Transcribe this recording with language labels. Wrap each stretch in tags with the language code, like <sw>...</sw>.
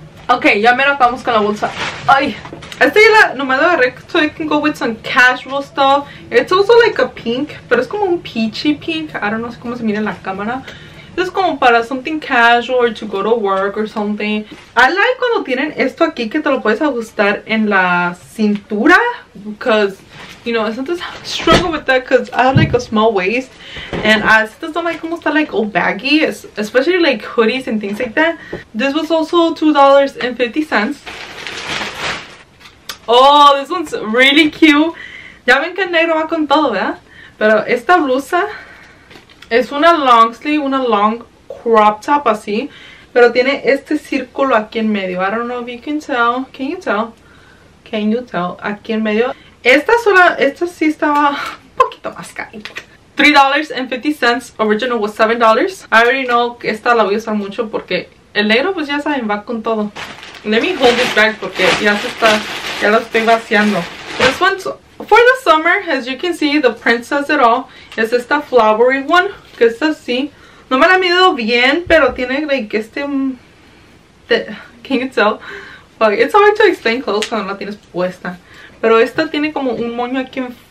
<es>Okay, ya me acabamos con la bolsa. Ay, esta ya la nomás la agarré so I can go with some casual stuff.</es> <en>It's also like a pink, pero es como un peachy pink. I don't know cómo se mira en la cámara. Es como para something casual or to go to work or something.</en> <es>I like cuando tienen esto aquí que te lo puedes ajustar en la cintura.</es> <en>Because, you know, sometimes I struggle with that because I have like a small waist. And I sometimes don't like almost like old baggy. Especially like hoodies and things like that. This was also $2.50. Oh, this one's really cute.</en> <es>Ya ven que el negro va con todo, ¿verdad? Pero esta blusa... Es una long sleeve, una long crop top así.</es> <en>Pero tiene este círculo aquí en medio. I don't know if you can tell. Can you tell? Can you tell? Aquí en medio.</en> <es>Esta sola, esta sí estaba un poquito más carita. $3.50. Original was $7. I already know que esta la voy a usar mucho porque el negro pues ya saben, va con todo. Let me hold this bag porque ya se está, ya lo estoy vaciando. This one's...</es> <en>For the summer, as you can see, the print says it all.</en> <es>Es esta flowery one, que es así. No me la he medido bien, pero tiene like este... Can you tell? Like, it's hard to explain clothes cuando la tienes puesta. Pero esta tiene como un moño aquí en...</es>